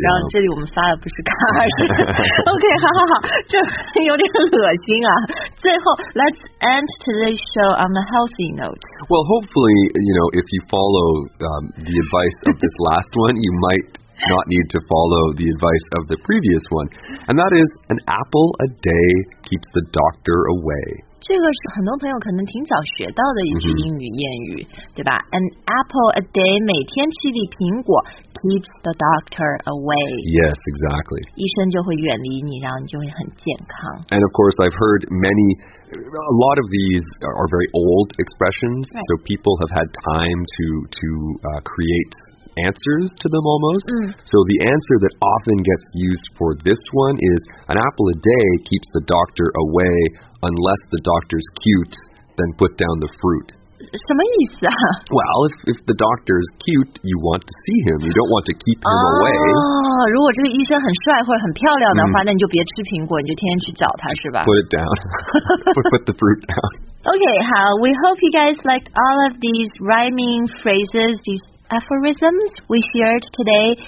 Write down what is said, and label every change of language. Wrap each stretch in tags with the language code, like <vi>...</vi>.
<zh>然后这里我们发的不是卡是 OK 好好好这有点恶心啊最后 Let's end today's show on a healthy note</zh> <en>Well hopefully you know if you follow the advice of this last one you might not need to follow the advice of the previous one and that is an apple a day keeps the doctor away</en> <zh>这个是很多朋友可能挺早学到的一句英语谚语、mm-hmm.</zh> <en>对吧 An apple a day 每天吃一粒苹果 keeps the doctor away Yes, exactly</en> <zh>医生就会远离你然后你就会很健康</zh> <en>And of course I've heard many a lot of these are very old expressions、 right. so people have had time to create answers to them almost.、 Mm. So the answer that often gets used for this one is an apple a day keeps the doctor away unless the doctor's cute, then put down the fruit.</en> <zh>什么意思啊</zh> <en>Well, if the doctor is cute, you want to see him. You don't want to keep him away.</en> <zh>如果这个医生很帅或者很漂亮的话、那你就别吃苹果你就天天去找他是吧</zh> <en>Put it down. put the fruit down. Okay, 好 We hope you guys liked all of these rhyming phrases, these aphorisms we shared today.</en>